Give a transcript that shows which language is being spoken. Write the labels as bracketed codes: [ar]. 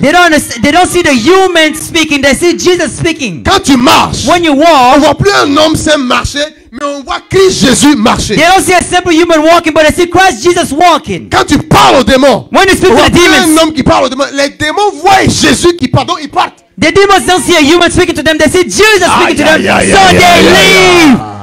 [en] They don't see the human speaking, they see Jesus speaking. [fr] Quand tu marches, [en] when you walk, [fr] on voit plus un homme saint marcher. Mais on voit Christ Jésus marcher. [en] They don't see a simple human walking, but they see Christ Jesus walking. [fr] Quand tu parles aux démons, [en] when you speak to the demons, [fr] un homme qui parle aux démons, les démons voient Jésus qui parle, donc ils partent. [en] The demons don't see a human speaking to them, they see Jesus speaking to them, so they leave.